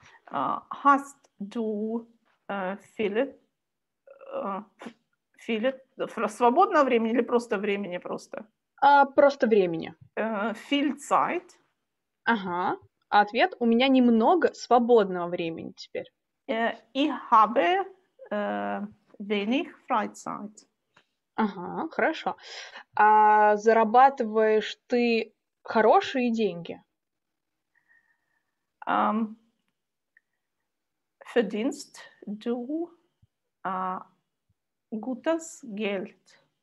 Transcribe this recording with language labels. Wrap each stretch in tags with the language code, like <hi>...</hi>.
<de>Hast du viele</de> <ru>свободного времени или просто времени просто? Просто времени.</ru> <de>Viel Zeit.</de> <ru>Ага. Ответ: у меня немного свободного времени теперь.</ru> <de>Ich habe wenig Freizeit.</de> <ru>Ага, хорошо. А зарабатываешь ты хорошие деньги?</ru> <de>Verdienst du gutes Geld?</de>